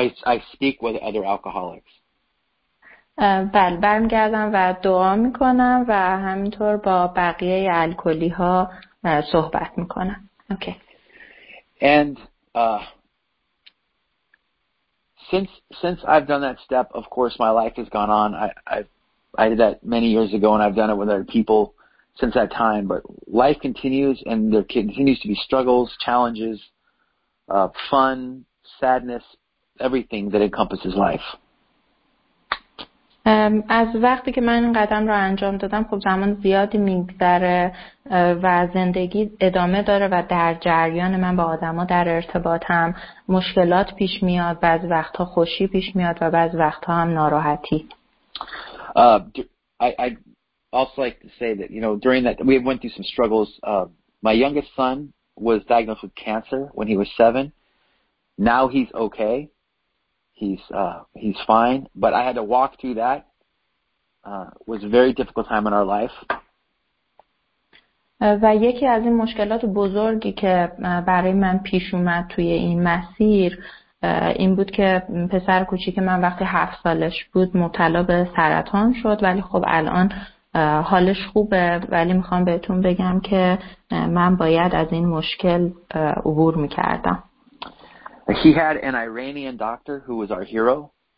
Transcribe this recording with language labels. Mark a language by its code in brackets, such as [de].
[en] I speak with other alcoholics. [fa] بله، برمیگردم و دعا میکنم و همینطور با بقیه الکلی ها صحبت میکنم. [en] Okay. And since I've done that step, of course my life has gone on. I did that many years ago and I've done it with other people since that time, but life continues and there continues to be struggles, challenges, fun, sadness, everything that encompasses life. [fa] از وقتی که من این قدم رو انجام دادم، خب زمان زیادی میگذره و زندگی ادامه داره و در جریان من با آدما در ارتباطم، مشکلات پیش میاد، بعضی وقتها خوشی پیش میاد و بعضی وقتها هم ناراحتی. [en] I also like to say that, you know, during that we went through some struggles. My youngest son was diagnosed with cancer when he was 7. Now he's okay. He's fine, but I had to walk through that. Was a very difficult time in our life. [fa] و یکی از این مشکلات بزرگی که برای من پیش اومد توی این مسیر این بود که پسر کوچیک من وقتی 7 سالش بود مبتلا به سرطان شد، ولی خب الان حالش خوبه، ولی میخوام بهتون بگم که من باید از این مشکل عبور میکردم. [en] He had an Iranian doctor who was our hero.